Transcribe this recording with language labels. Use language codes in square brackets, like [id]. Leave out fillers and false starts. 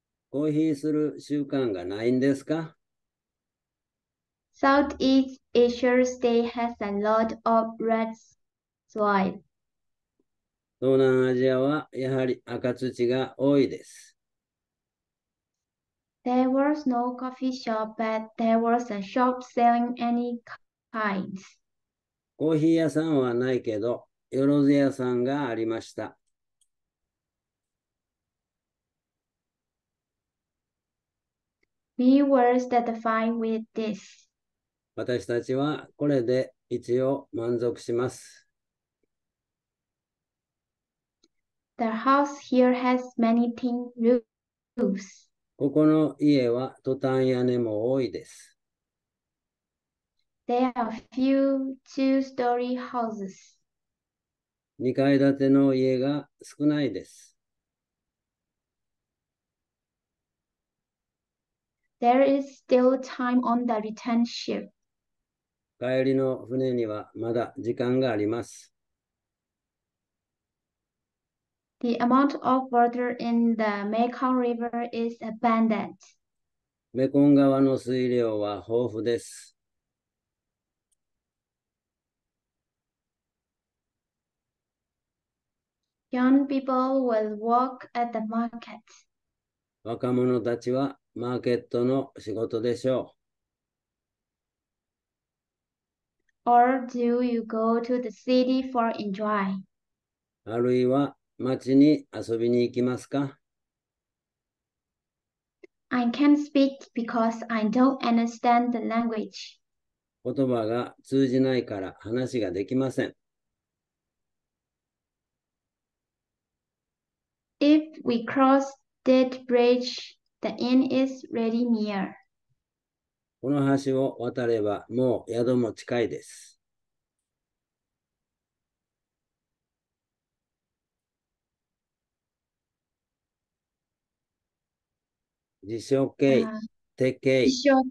[ja] コーヒーする習慣がないんですか？ [en] Southeast Asia state has a lot of red soil. [ja] 東南アジアはやはり赤土が多いです。 [en] There was no coffee shop, but there was a shop selling any kinds. [ja] コーヒー屋さんはないけど、よろず屋さんがありました。 [en] We were satisfied with this. [ja] 私たちはこれで一応満足します。 [en] The house here has many tin roofs. [ja] ここの家はトタン屋根も多いです。 [en] There are few two-story houses. [ja] 2階建ての家が少ないです。 [en] There is still time on the return ship. [ja] 帰りの船にはまだ時間があります。 [en] The amount of water in the Mekong River is abundant. [ja] メコン川の水量は豊富です。 [en] Young people will work at the market. [ja] 若者たちはマーケットの仕事でしょ [en] Or do you go to the city for enjoy? [ja] う。あるいは街に遊びに行きますか？ [en] I can't speak because I don't understand the language. [ja] 言葉が通じないから話ができません。 [en] If we cross that bridge, the inn is really near. [ja] この橋を渡ればもう宿も近いです。辞書形、定一形、緒。